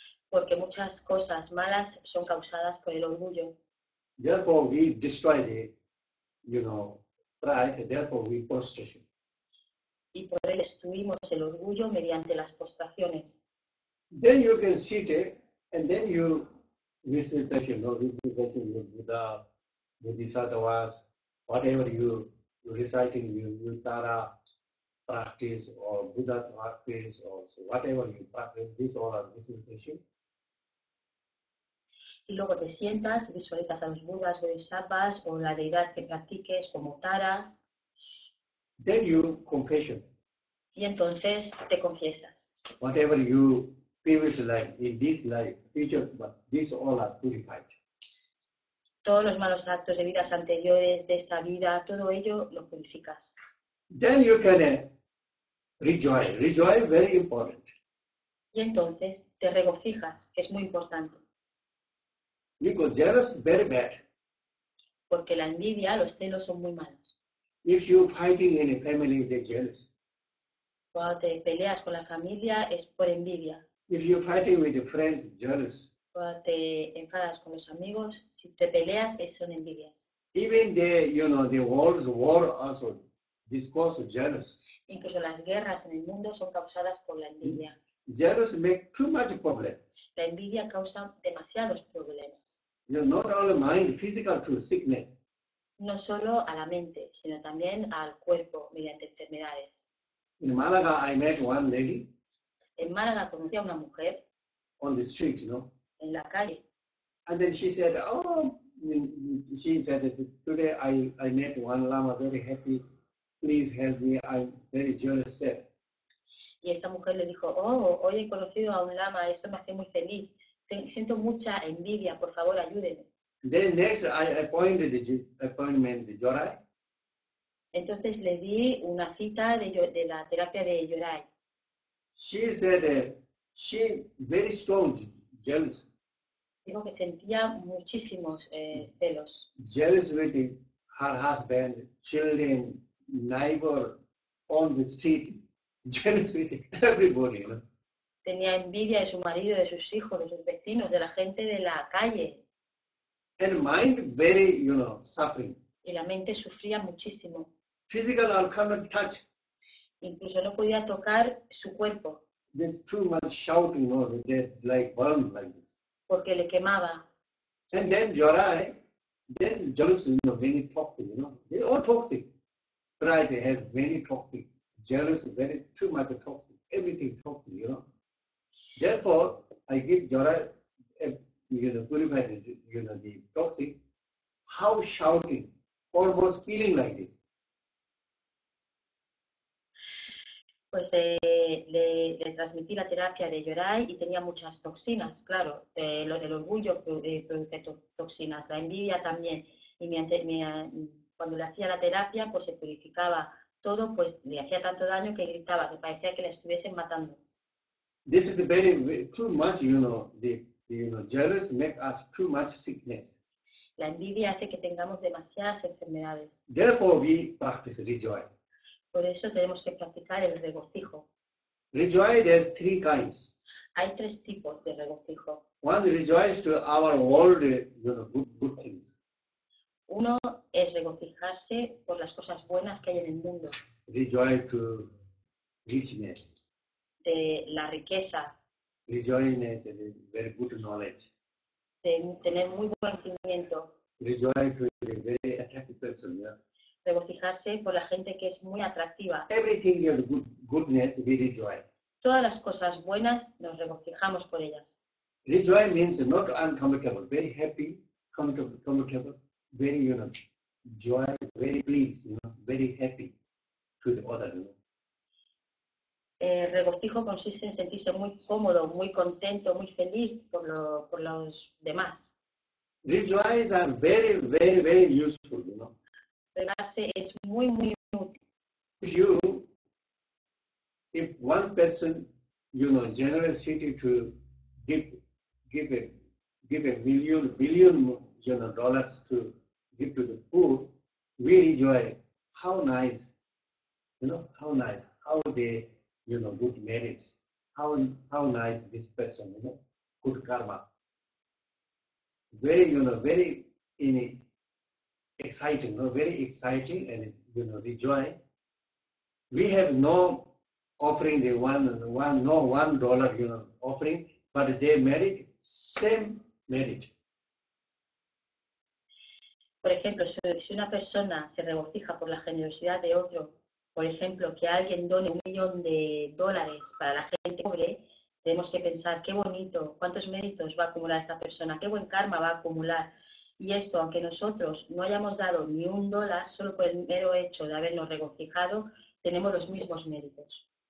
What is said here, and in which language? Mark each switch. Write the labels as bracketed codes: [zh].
[es] Porque muchas cosas malas son causadas por el orgullo. [en] Therefore we destroy the, you know, pride, therefore we prostration. [es] Y por él destruimos el orgullo mediante las postraciones. [en] Then you can sit and then you visitation, no visitation with Buddha, Bodhisattvas, whatever you reciting, you Tara practice or Buddha practice or so whatever you practice, this all are visitation. [es] Y luego te sientas, visualizas a los Budas, Bodhisattvas o la deidad que practiques como Tara. [en] Then you confession. [es] Y entonces te confiesas. [en] Whatever you previous life, in this life, future, but these all are purified. [es] Todos los malos actos de vidas anteriores, de esta vida, todo ello lo purificas. [en] Then you can rejoice. Rejoice, very important. [es] Y entonces te regocijas, que es muy importante. [en] Because jealous, very bad. [es] Porque la envidia, los celos son muy malos. [en] If you're fighting in a family, they're jealous. [es] Cuando te peleas con la familia, es por envidia. [en] If you're fighting with a friend, jealous. [es] Cuando te enfadas con los amigos, si te peleas, es son envidias. [en] Even the, you know, the world's war also, this causes jealous. [es] Incluso las guerras en el mundo son causadas por la envidia. [en] Jealous make too much problem. [es] La envidia causa demasiados problemas. [en] You know, not only mind, physical too, sickness. [es] No solo a la mente, sino también al cuerpo mediante enfermedades. [en] In Málaga, I met one lady. [es] En Málaga conocí a una mujer. [en] On the street, you know. [es] En la calle. [en] And then she said, oh, she said, today I met one lama, very happy. Please help me, I'm very jealous. Sir. [es] Y esta mujer le dijo, oh, hoy he conocido a un lama, esto me hace muy feliz. Siento mucha envidia, por favor, ayúdeme. [en] Then next, I appointed the appointment the Yorai. [es] Entonces le di una cita de la terapia de Yorai. [en] She said she very strong jealous. [es] Dijo que sentía muchísimos celos. [en] Jealous with her husband, children, neighbor on the street. Jealous with everybody. You know? [es] Tenía envidia de su marido, de sus hijos, de sus vecinos, de la gente de la calle. [en] And mind very, you know, suffering. [es] Y la mente sufría muchísimo. [en] Physical or common touch. [es] Incluso no podía tocar su cuerpo. [en] There's too much shouting, you know, that like burned like this. [es] Porque le quemaba. [en] And then Jorai, then jealous, you know, very toxic, you know. They're all toxic. Pride has many toxic. Jealous, very, too much toxic. Everything toxic, you know. Therefore, I give Jorai you know, purified, you know, the toxic, how shouting, almost killing like this. [es] Pues le transmití la terapia de Yorai y tenía muchas toxinas, claro, el orgullo produce toxinas, la envidia también, y cuando le hacía la terapia, pues se purificaba todo, pues le hacía tanto daño que gritaba, que parecía que le estuviesen matando. [en] This is very, too much, you know, the you know, jealous make us too much sickness. [es] La envidia hace que tengamos demasiadas enfermedades. [en] Therefore, we practice rejoice. [es] Por eso tenemos que practicar el regocijo. [en] Rejoice, there's three kinds. [es] Hay tres tipos de regocijo. [en] One rejoice to our world, you know, good things. [es] Uno es regocijarse por las cosas buenas que hay en el mundo. [en] Rejoice to richness. [es] De la riqueza. [en] Rejoice is a very good knowledge. [es] De tener muy buen conocimiento. [en] Rejoice to a very attractive person, yeah. [es] Regocijarse por la gente que es muy atractiva. [en] Everything is goodness, we rejoice. [es] Todas las cosas buenas nos regocijamos por ellas. [en] Rejoice means not uncomfortable, very happy, comfortable, very, you know, joy, very pleased, you know, very happy to the other. You know. [es] Regocijo consiste en sentirse muy cómodo, muy contento, muy feliz por los demás. [en] Rejoice are very, very, very useful, you know. [es] Regarse es muy, muy útil. [en] You If one person, you know, generosity to give a billion, you know, dollars to give to the poor, we enjoy how nice, you know, how nice, how they, you know, good merits, how nice this person, you know, good karma. Very, you know, very in it, exciting, no? Very exciting and, you know, rejoice. We have no offering the $1, you know, offering, but they merit same merit. [es] Por ejemplo, si una persona se regocija por la generosidad de otro, por ejemplo, que alguien done $1,000,000 para la gente pobre, tenemos que pensar qué bonito, cuántos méritos va a acumular esta persona, qué buen karma va a acumular. Y esto, aunque nosotros no hayamos dado ni un dólar, solo por el mero hecho de habernos regocijado, tenemos los mismos méritos.